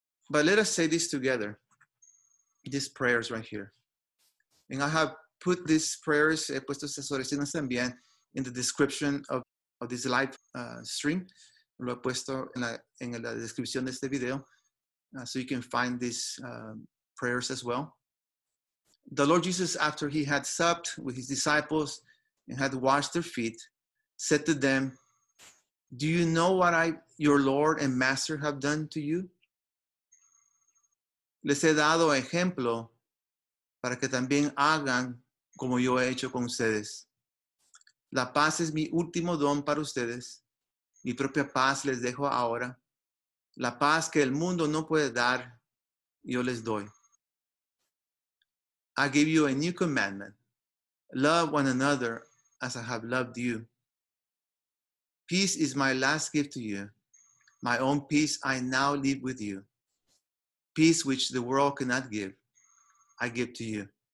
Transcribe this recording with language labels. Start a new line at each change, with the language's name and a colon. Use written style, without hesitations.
English: But let us say this together, these prayers right here. And I have put these prayers,
Spanish: he puesto estas oraciones también,
English: in the description of this live stream.
Spanish: Lo he puesto en la descripción de este video,
English: so you can find these prayers as well. The Lord Jesus, after he had supped with his disciples and had washed their feet, said to them, "Do you know what I, your Lord and Master, have done to you?
Spanish: Les he dado ejemplo para que también hagan como yo he hecho con ustedes. La paz es mi último don para ustedes. Mi propia paz les dejo ahora. La paz que el mundo no puede dar, yo les doy.
English: I give you a new commandment. Love one another as I have loved you. Peace is my last gift to you. My own peace I now leave with you. Peace which the world cannot give, I give to you.